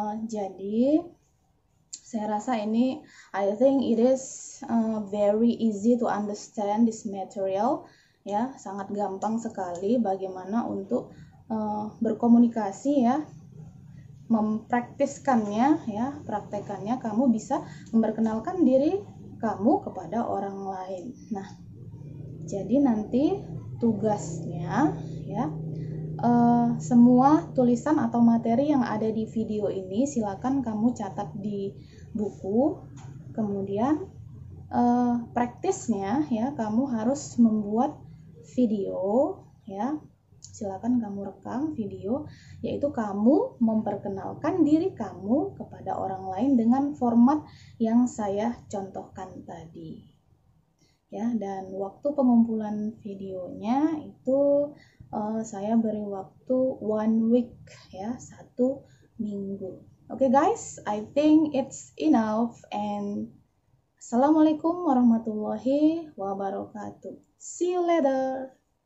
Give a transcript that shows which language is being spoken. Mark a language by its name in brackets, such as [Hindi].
[Indonesian] Jadi saya rasa ini, [English] I think it is very easy to understand this material. [Indonesian] Ya, sangat gampang sekali bagaimana untuk berkomunikasi ya, mempraktiskannya ya, praktekannya, kamu bisa memperkenalkan diri kamu kepada orang lain. Nah, jadi nanti tugasnya ya, semua tulisan atau materi yang ada di video ini silakan kamu catat di buku, kemudian praktisnya ya kamu harus membuat video ya. Silakan kamu rekam video, yaitu kamu memperkenalkan diri kamu kepada orang lain dengan format yang saya contohkan tadi. Ya, dan waktu pengumpulan videonya itu saya beri waktu [English] 1 week [Indonesian] ya, 1 minggu. [English] Okay guys, I think it's enough and [Arabic] Assalamualaikum warahmatullahi wabarakatuh. [English] See you later.